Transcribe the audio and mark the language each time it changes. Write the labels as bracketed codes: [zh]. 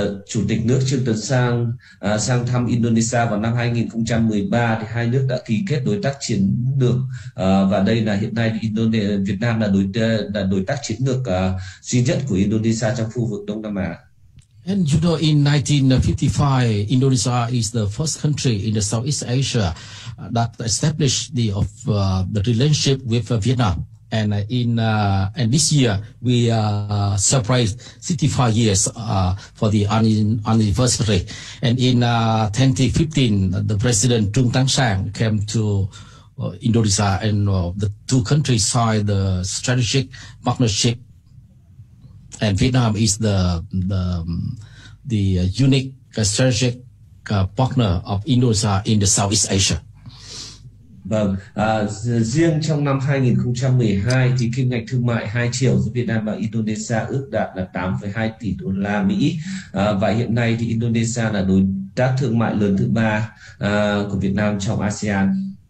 [vi] Chủ tịch nước Trương Tấn Sang sang thăm Indonesia vào năm 2013 thì hai nước đã ký kết đối tác chiến lược và đây là hiện nay Việt Nam là đối tác chiến lược duy nhất của Indonesia trong khu vực Đông Nam Á. [en] And you know, in 1955, Indonesia is the first country in the Southeast Asia that established the relationship with Vietnam. And and this year we celebrate 65 years for the anniversary. And in 2015, the President Trương Tấn Sang came to Indonesia and the two countries signed the strategic partnership, and Vietnam is the unique strategic partner of Indonesia in the Southeast Asia. [vi] Vâng, riêng trong năm 2012 thì kim ngạch thương mại 2 triệu giữa Việt Nam và Indonesia ước đạt là 8,2 tỷ đô la Mỹ. Và hiện nay thì Indonesia là đối tác thương mại lớn thứ 3 của Việt Nam trong ASEAN.